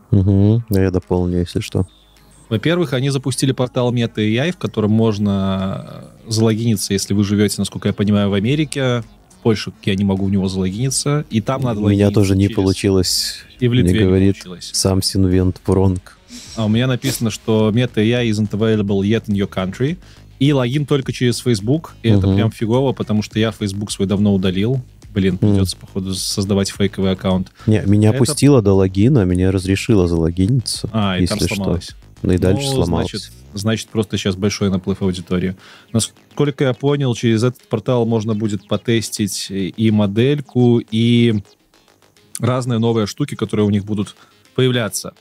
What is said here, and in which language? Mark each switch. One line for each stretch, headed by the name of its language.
Russian: Угу, я дополню, если что. Во-первых, они запустили портал MetaAI, в котором можно залогиниться, если вы живете, насколько я понимаю, в Америке. В Польше я не могу в него залогиниться. И там надо логиниться. У меня тоже не получилось. И в Литве не говорит, сам Синвент Пронг. А у меня написано, что
English: MetaAI isn't available yet in your country.
Russian: И логин только через Facebook, и это прям фигово, потому что я Facebook свой давно удалил. Блин, придется, походу, создавать фейковый аккаунт. Не, меня пустило до логина, меня разрешило залогиниться. А, и если там сломалось. Ну и дальше сломалось. Значит, просто сейчас большой наплыв аудитории. Насколько я понял, через этот портал можно будет потестить и модельку, и разные новые штуки, которые у них будут появляться.